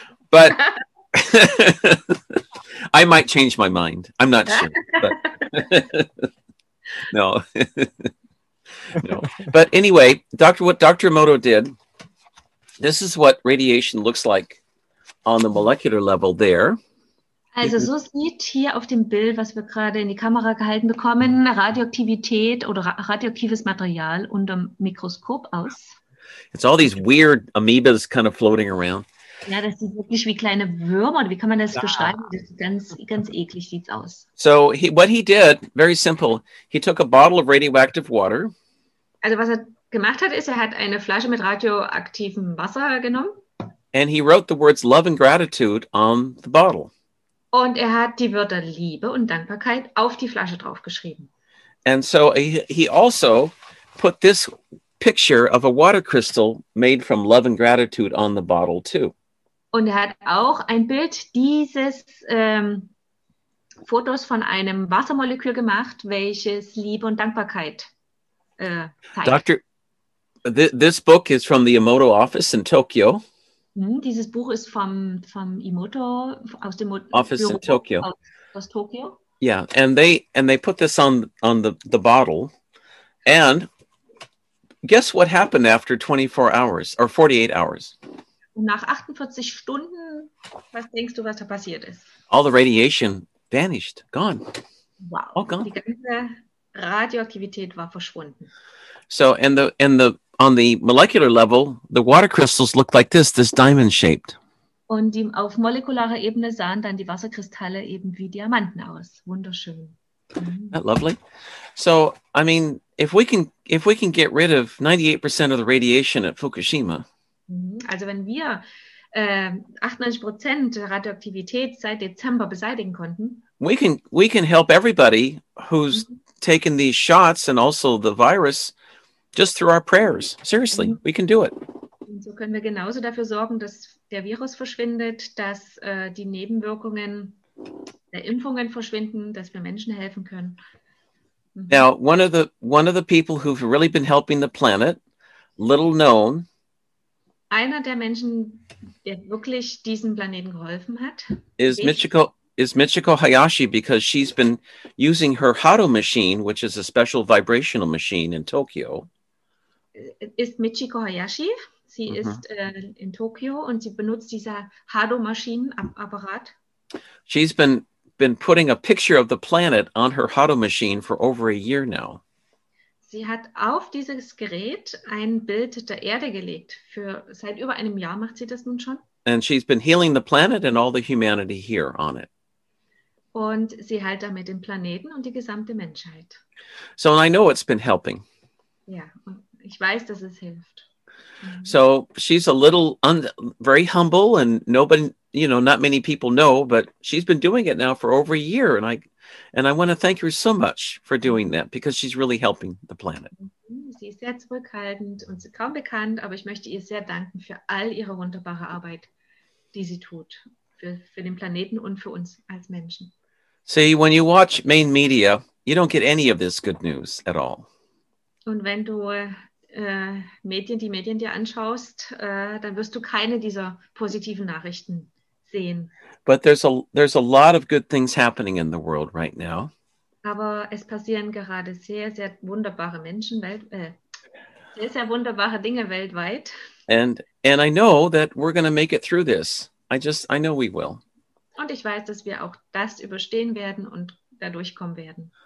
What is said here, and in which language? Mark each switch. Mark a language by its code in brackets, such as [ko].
[en] But I might change my mind. I'm not sure. But no. No. But anyway, what Dr. Emoto did. This is what radiation looks like on the molecular level there. [de] Also so sieht hier auf dem Bild, was wir gerade in die Kamera gehalten bekommen, Radioaktivität oder radioaktives Material unter dem Mikroskop aus. [en] It's all these weird amoebas kind of floating around. [de] Ja, das sieht wirklich wie kleine Würmer. Wie kann man das beschreiben? Das ist ganz, ganz eklig sieht's aus. [en] So what he did, very simple. He took a bottle of radioactive water. [de] Also was er gemacht hat, ist, er hat eine Flasche mit radioaktivem Wasser genommen. [en] And he wrote the words love and gratitude on the bottle. [de] Und er hat die Wörter Liebe und Dankbarkeit auf die Flasche draufgeschrieben. [en] And so he also put this picture of a water crystal made from love and gratitude on the bottle too. [de] Und er hat auch ein Bild dieses Fotos von einem Wassermolekül gemacht, welches Liebe und Dankbarkeit zeigt. [en] This book is from the Emoto office in Tokyo. [de] Dieses Buch ist vom Emoto aus dem [en] office [de] Büro [en] in Tokyo. [de] Aus Tokyo. [en] Yeah, and they put this on the bottle. And guess what happened after 24 hours or 48 hours? [de] Nach 48 Stunden, was denkst du, was da passiert ist? [en] All the radiation vanished, gone. Wow. All gone. [de] Die ganze Radioaktivität war verschwunden. [en] So on the molecular level, the water crystals look like this diamond shaped. [de] Und auf molekularer Ebene sahen dann die Wasserkristalle eben wie Diamanten aus. Wunderschön. Mm. [en] That lovely. So, I mean, if we can get rid of 98% of the radiation at Fukushima. Also wenn wir 98% der Radioaktivität seit Dezember beseitigen konnten. We can help everybody who's taken these shots and also the virus. Just through our prayers. Seriously, we can do it. [de] Und so können wir genauso dafür sorgen, dass der Virus verschwindet, dass die Nebenwirkungen der Impfungen verschwinden, dass wir Menschen helfen können. Mhm. [en] Now, one of the people who've really been helping the planet, little known. [de] Einer der Menschen, der wirklich diesem Planeten geholfen hat, [en] is Michiko Hayashi, because she's been using her Hado machine, which is a special vibrational machine in Tokyo. [de] Ist Michiko Hayashi. Sie mm-hmm. ist in Tokio und sie benutzt dieser Hado-Maschinenapparat. [en] She's been putting a picture of the planet on her Hado machine for over a year now. [de] Sie hat auf dieses Gerät ein Bild der Erde gelegt. Seit über einem Jahr macht sie das nun schon. [en] And she's been healing the planet and all the humanity here on it. [de] Und sie heilt damit den Planeten und die gesamte Menschheit. [en] So, and I know it's been helping. [de] Ja, und ich weiß, dass es hilft. [en] So she's a little very humble, and nobody, you know, not many people know, but she's been doing it now for over a year, and I want to thank her so much for doing that, because she's really helping the planet. [de] Sie ist sehr zurückhaltend und kaum bekannt, aber ich möchte ihr sehr danken für all ihre wunderbare Arbeit, die sie tut für den Planeten und für uns als Menschen. [en] See, when you watch main media, you don't get any of this good news at all. [de] Und wenn du Medien dir anschaust, dann wirst du keine dieser positiven Nachrichten sehen. [en] But there's a lot of good things happening in the world right now. [de] Aber es passieren gerade sehr, sehr wunderbare Menschen sehr, sehr wunderbare Dinge weltweit. [en] And I know that we're going to make it through this. I know we will. [de] Und ich weiß, dass wir auch das überstehen werden und dadurch kommen werden.